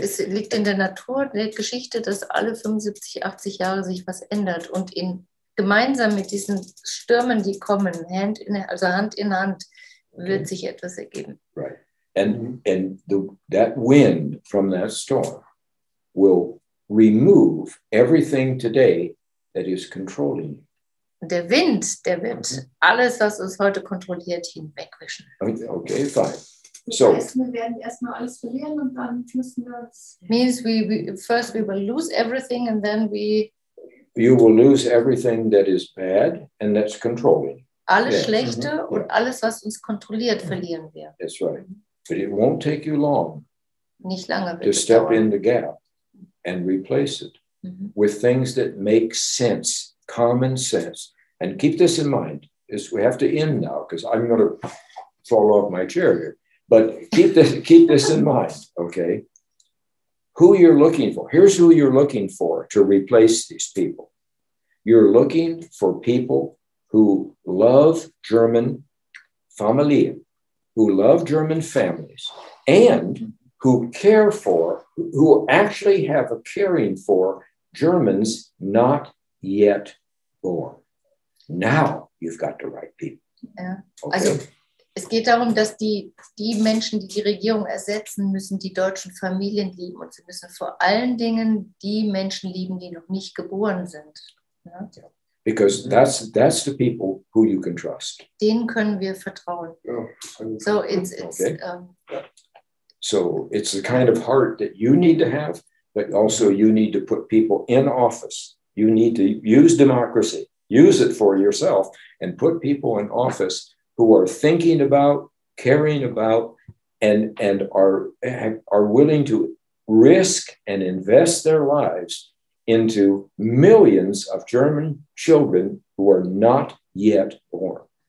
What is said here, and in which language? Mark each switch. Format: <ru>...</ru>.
<de>Es liegt in der Natur der Geschichte, dass alle 75, 80 Jahre sich was ändert und in gemeinsam mit diesen Stürmen, die kommen, Hand in Hand, wird sich etwas ergeben.</de> <en>Right. And the, that wind from that storm will remove everything today that is controlling you.</en> <de>Der Wind, der wird alles, was uns heute kontrolliert, hinwegwischen.</de> <en>Okay, fine.</en> <de>So, das heißt, wir werden erstmal alles verlieren und dann müssen wir es.</de> <en>Means we will lose everything and then we. You will lose everything that is bad and that's controlling.</en> <de>Alles Schlechte und alles, was uns kontrolliert, verlieren wir.</de> <en>That's right. But it won't take you long.</en> <de>Nicht lange wird es dauern.</de> <en>To step in the gap and replace it with things that make sense. Common sense. And keep this in mind. Is we have to end now because I'm going to fall off my chair here. But keep this in mind, okay? Who you're looking for. Here's who you're looking for to replace these people. You're looking for people who love German Familien, who love German families, and who care for, who actually have a caring for Germans not yet born. Now you've got the right people.</en> <de>Ja. Okay. Also es geht darum, dass die Menschen, die die Regierung ersetzen, müssen die deutschen Familien lieben und sie müssen vor allen Dingen die Menschen lieben, die noch nicht geboren sind. Ja. Yeah.</de> <en>Because that's the people who you can trust.</en> <de>Denen können wir vertrauen.</de> <en>Yeah. So it's okay. So it's the kind of heart that you need to have, but also you need to put people in office. You need to use democracy, use it for yourself and put people in office who are thinking about, caring about and are willing to risk and invest their lives into millions of German children who are not yet born.</en>